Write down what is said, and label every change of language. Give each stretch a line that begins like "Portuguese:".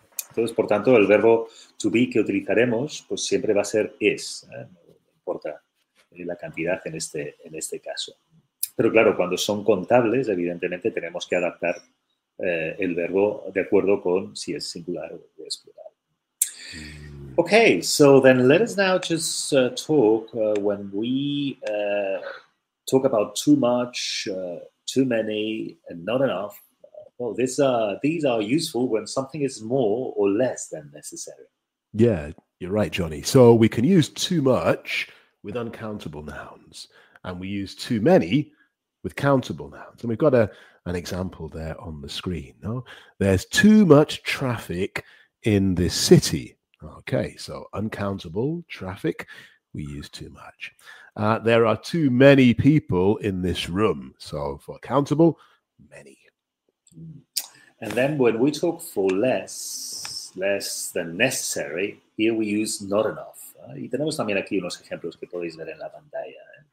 Spanish: Entonces, por tanto, el verbo to be que utilizaremos, pues siempre va a ser is. No importa la cantidad en este caso. Pero claro, cuando son contables, evidentemente tenemos que adaptar el verbo de acuerdo con si es singular o es plural.
English: Okay, so then let us now just talk when we talk about too much, too many and not enough. Well, these are useful when something is more or less than necessary. Yeah, you're right, Johnny. So we can use too much with uncountable nouns, and we use too many with countable nouns. And we've got an example there on the screen. No, there's too much traffic in this city. Okay, so uncountable traffic, we use too much. There are too many people in this room. So for countable, many. And then when we talk for less than necessary, here we use not enough.
Spanish: Y tenemos también aquí unos ejemplos que podéis ver en la pantalla.